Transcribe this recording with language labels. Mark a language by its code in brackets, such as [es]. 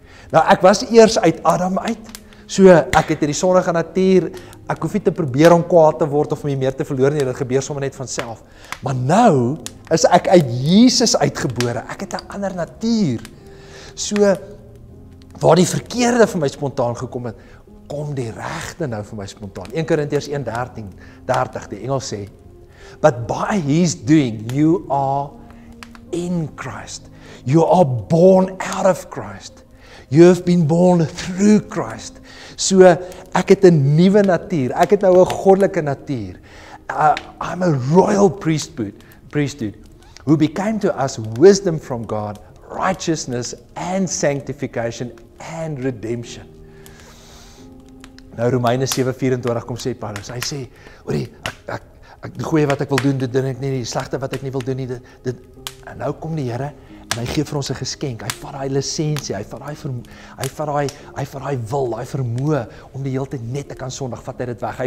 [af] Nou, ek was eers uit Adam uit, so ek het in die sondige natuur, ek hoef nie te probeer om kwaad te word of my meer te verloor nie, dit gebeur sommer net vanself. Maar nou is ek uit Jesus uitgebore, ek het 'n ander natuur. So, waar die verkeerde vir my spontaan gekom het, kom die regte nou vir my spontaan. 1 Korintiërs 1:13-30, die Engels sê, [en] but by his doing, you are in Christ. You are born out of Christ. You have been born through Christ. [af] So, ek het 'n nuwe natuur. Ek het nou 'n goddelike natuur. [en] I'm a royal priesthood, who became to us wisdom from God, righteousness and sanctification and redemption. [af] Nou Romeine 7:24 kom sê Paulus, hy sê, hoor jy, ek die goeie wat ek wil doen, dit doen ek nie, die slegte wat ek nie wil doen nie, dit, en nou kom die Here en hy gee vir ons 'n geskenk, hy vat daai lisensie, hy vat daai vermoë om die hele tyd net te kan sondig, vat hy dit weg.